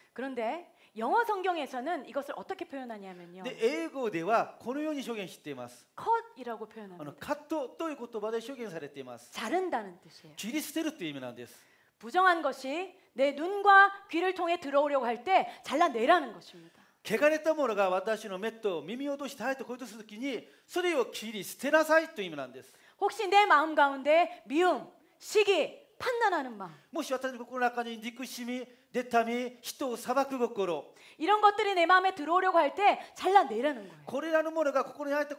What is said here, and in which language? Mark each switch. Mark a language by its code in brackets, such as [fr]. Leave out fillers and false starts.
[ko] 그런데 영어 성경에서는 이것을 어떻게 표현하냐면요. 네, 영어 [ja] では このように表現しています. [ko] cut이라고 표현합니다. [ja] カットという言葉で表現されています. [ko] 자른다는 뜻이에요. [ja] 切り捨てるという意味なんです. [ko] 부정한 것이 내 눈과 귀를 통해 들어오려고 할 때 잘라내라는 것입니다. [ja] 汚れたものが私の目と耳を落としたいとこういうとするときにそれを切り捨てなさいという意味なんです. [ko] 혹시 내 마음 가운데 미움, 시기, 판단하는 마음. [ja] もし私の心の中に憎しみ、妬み、人を裁く心. [ko] 이런 것들이 내 마음에 들어오려고 할 때 잘라내라는 거예요.